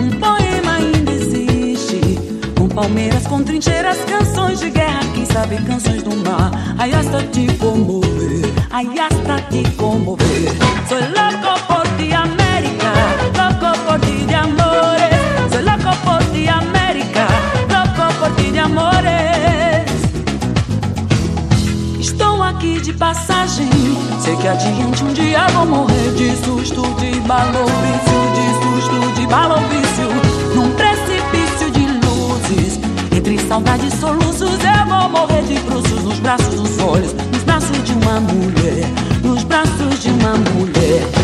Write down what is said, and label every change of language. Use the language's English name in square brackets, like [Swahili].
[Portuguese] Poema ainda existe, com palmeiras, com trincheiras, canções de guerra, quem sabe canções do mar. [Spanish] Ai, hasta te comover, ai, hasta te comover. Soy loco por ti, América, loco por ti de amores. Soy loco por ti, América, loco por ti de amores. [Portuguese] Estou aqui de passagem, sei que adiante um dia vou morrer de susto, de balofício, de susto, de balofício. Num precipício de luzes, entre saudade e soluços, eu vou morrer de bruços nos braços dos olhos, nos braços de uma mulher, nos braços de uma mulher.